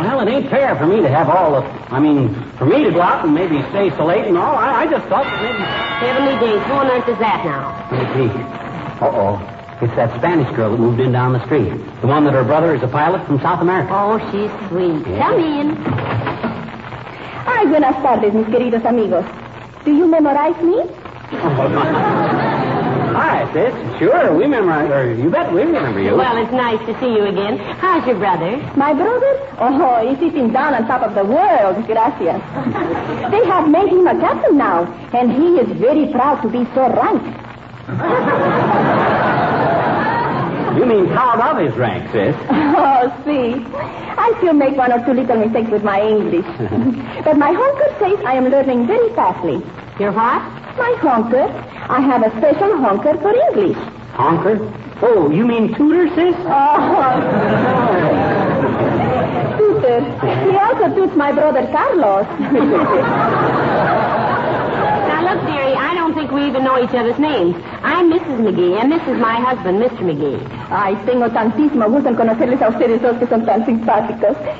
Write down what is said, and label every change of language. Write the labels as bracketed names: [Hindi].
[English] Well, it ain't fair for me to have all the... I mean, for me to go out and maybe stay so late and all. I just thought that maybe... Heavenly days, who on earth is that now? Hey, gee. Uh-oh. It's that Spanish girl that moved in down the street. The one that her brother is a pilot from South America. Oh, she's sweet. Yeah. Come in. [Spanish] Ay, buenas tardes, mis queridos amigos. [English] Do you memorize me? Hi, sis. Sure, we memorize. You bet we remember you. Well, it's nice to see you again. How's your brother? My brother? Oh, he's sitting down on top of the world. [Spanish] Gracias. [English] They have made him a captain now, and he is very proud to be so rank. You mean proud of his rank, sis? Oh, see. I still make one or two little mistakes with my English. But my honker says I am learning very fastly. Your what? My honker. I have a special honker for English. Honker? Oh, you mean tutor, sis? Oh. Tutor. He also tutes my brother Carlos. Now, look, dearie, I don't think we even know each other's names. I'm Mrs. McGee, and this is my husband, Mr. McGee. [Spanish] Ay, tengo tantísimo gusto en conocerles a ustedes dos que son tan simpáticos.